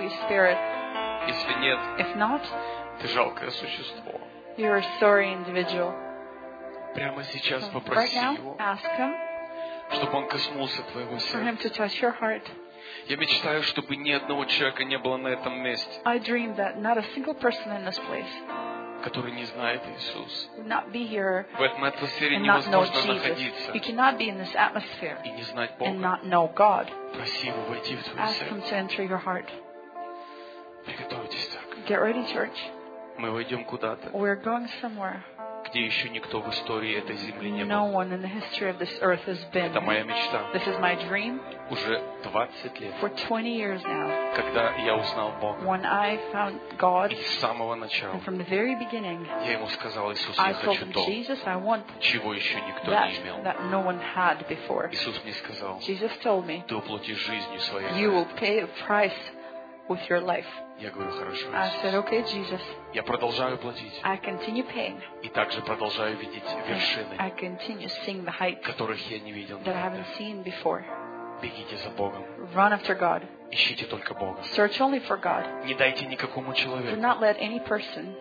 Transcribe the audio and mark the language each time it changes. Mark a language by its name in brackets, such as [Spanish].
[Russian] Если нет, [English] not, [Russian] ты жалкое существо. [English] You're a sorry individual. [Russian] Прямо сейчас so попроси [English] right now, [Russian] Его, [English] ask him, [Russian] чтобы Он коснулся твоего сердца. [English] For him to touch your heart. [Russian] Я мечтаю, чтобы ни одного человека не было на этом месте. [English] I dream that not a single person in this place, [Russian] который не знает Иисуса, [English] would not be here, [Russian] в этой атмосфере невозможно находиться. [English] You cannot be in this atmosphere, [Russian] и не знать Бога. [English] And not know God. [Russian] Проси Его войти в твое сердце. [English] Ask Him to enter your heart. [Russian] Приготовьтесь, церковь. [English] Get ready, church. [Russian] Мы войдем куда-то. [English] We're going somewhere. [Russian] Где еще никто в истории этой земли не был. [English] No one in the history of this earth has been. [Russian] Это моя мечта. [English] This is my dream. [Russian] Уже 20 лет. [English] For 20 years now. [Russian] Когда я узнал Бога. [English] When I found God. [Russian] И с самого начала. [English] And from the very beginning. [Russian] Я ему сказал, Иисус, я хочу то. [English] Jesus, I want [Russian] чего еще никто [English] that, [Russian] не имел. [English] That no one had before. [Russian] Иисус мне сказал. [English] Jesus told me. [Russian] Ты уплатишь жизнью своей. [English] You will pay a price with your life. [Russian] Я говорю, хорошо. [English] I said, okay, Jesus. [Russian] Я продолжаю платить. [English] I continue paying. [Russian] И также продолжаю видеть вершины. [English] I continue seeing the heights, [Russian] которых я не видел. [English] That I haven't seen before. [Russian] Бегите за Богом. [English] Run after God. [Russian] Ищите только Бога. [English] Search only for God. [Russian] Не дайте никакому человеку. [English] Do not let any person